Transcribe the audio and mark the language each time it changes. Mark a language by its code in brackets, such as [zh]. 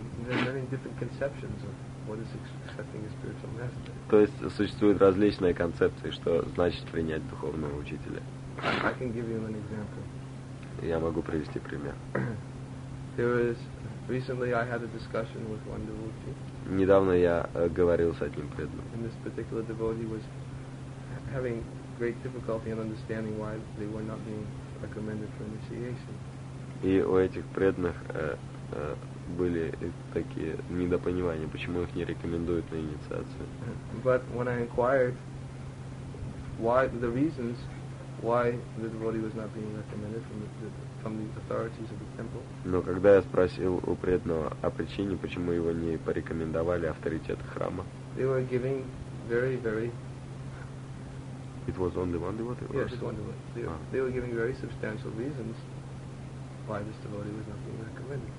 [en] There are many different conceptions of what is accepting a spiritual message. [ru] То есть существуют различные концепции, что значит принять духовного учителя. [en] I can give you an example. [ru] Я могу привести пример. [en] Recently I had a discussion with one devotee. [ru] Недавно я говорил с одним преданным. [en] And this particular devotee was having great difficulty in understanding why they were not being recommended for initiation. [ru] И у этих преданных были такие недопонимания, почему их не рекомендуют на инициацию. [en] But when I inquired why the reasons why the devotee was not being recommended from the authorities of the temple. [ru] Но когда я спросил у преданного о причине, почему его не порекомендовали авторитеты храма, [en] they were giving very, very... It was only one devotee? Yes, just one devotee. They were giving very substantial reasons why this devotee was not being recommended.